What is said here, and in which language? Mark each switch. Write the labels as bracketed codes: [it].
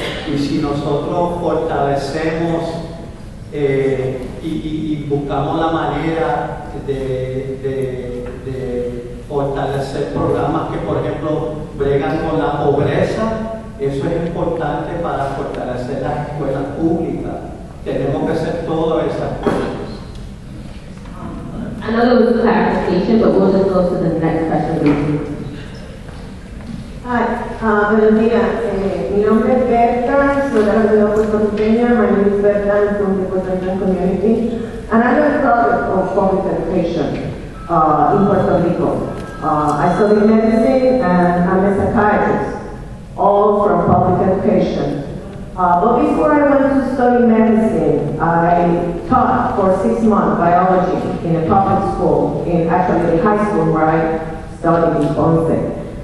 [es] Y si nosotros fortalecemos y buscamos la manera de fortalecer programas que, por ejemplo, bregan con la pobreza, eso es importante para fortalecer las escuelas públicas. Tenemos que hacer todas esas cosas. [en] I know there was a clarification, but we'll just go to the next question. [es] Hi, buenos días. Mi nombre es Berta, soy de la ciudad de Puerto Rico. [en] My name is Berta, I'm from the Puerto Rican community. And I'm a product of public education in Puerto Rico. I study medicine and I'm a psychiatrist, all from public education. But before I went to study medicine, I taught for 6 months biology in a public school, actually in high school where I studied in Ponce.